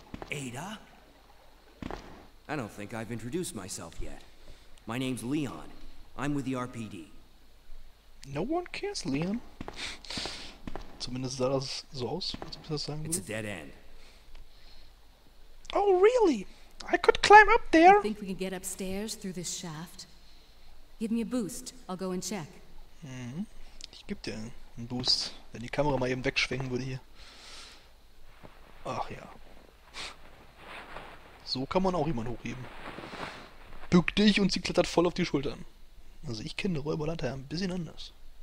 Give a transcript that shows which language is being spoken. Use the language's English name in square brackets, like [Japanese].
[English] Ada? I don't think I've introduced myself yet. My name's Leon. I'm with the RPD. No one cares, Leon. [German] Zumindest sah das so aus, als ob ich das sagen würde. [English] It's a dead end. Oh, really? I could climb up there. You think we can get upstairs through this shaft? Give me a boost. I'll go and check. [German] Ich geb dir einen Boost, wenn die Kamera mal eben wegschwenken würde hier. Ach ja. So kann man auch jemanden hochheben. Bück dich und sie klettert voll auf die Schultern. Also ich kenne Räuberleiter ein bisschen anders.